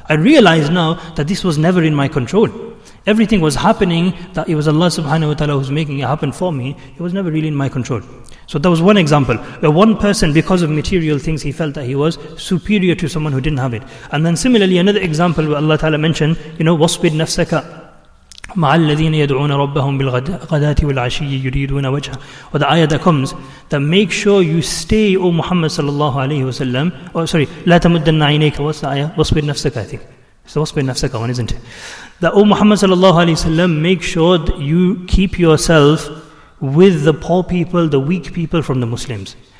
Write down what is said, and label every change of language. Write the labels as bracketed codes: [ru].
[en] I realize now that this was never in my control. Everything was happening, that it was Allah subhanahu wa ta'ala who's making it happen for me. It was never really in my control. So that was one example. Where one person, because of material things, he felt that he was superior to someone who didn't have it. And then similarly, another example where Allah ta'ala mentioned, you know, [ar] wasbid nafsaka. مع الذين يدعون ربهم بالغداة والعشي يريدون وجهه. [en] Or the ayah that comes, that make sure you stay, O Muhammad sallallahu alayhi wa sallam. Oh, sorry. [ar] لا تمدن عينيك. [en] What's the ayah? [ar] وصبر نفسك, [en] I think. It's the وصبر نفسك one, isn't it? That, O Muhammad sallallahu alayhi wa sallam, make sure that you keep yourself with the poor people, the weak people from the Muslims.